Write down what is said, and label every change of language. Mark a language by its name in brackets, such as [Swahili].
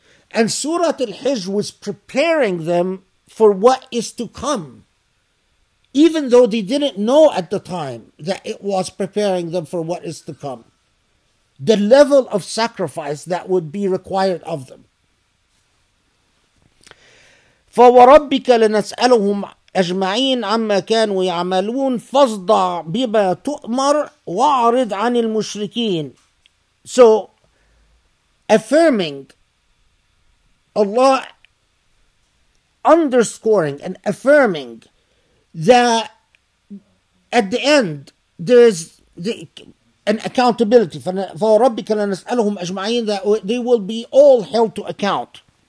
[English] And Surah Al-Hijr was preparing them for what is to come. Even though they didn't know at the time that it was preparing them for what is to come. The level of sacrifice that would be required of them. [Arabic] فَوَرَبِّكَ لَنَسْأَلُهُمْ أجمعين عما كانوا يعملون فاصدع بما تؤمر واعرض عن المشركين. [English] So affirming, Allah underscoring and affirming that at the end there is an accountability. [Arabic] فَرَبِّكَ لَنَسْأَلُهُمْ أَجْمَعِينَ, [English] that they will be all held to account.